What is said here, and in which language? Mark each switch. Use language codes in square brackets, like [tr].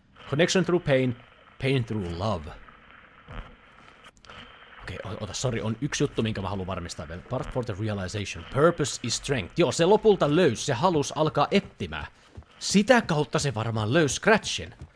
[en] Connection through pain through love. [fi] Okei, ota, sorry, on yksi juttu, minkä mä haluan varmistaa vielä. [en] Part for the realization, purpose is strength. [fi] Joo, se lopulta löysi, se halusi alkaa etsimään. Sitä kautta se varmaan löysi scratchin.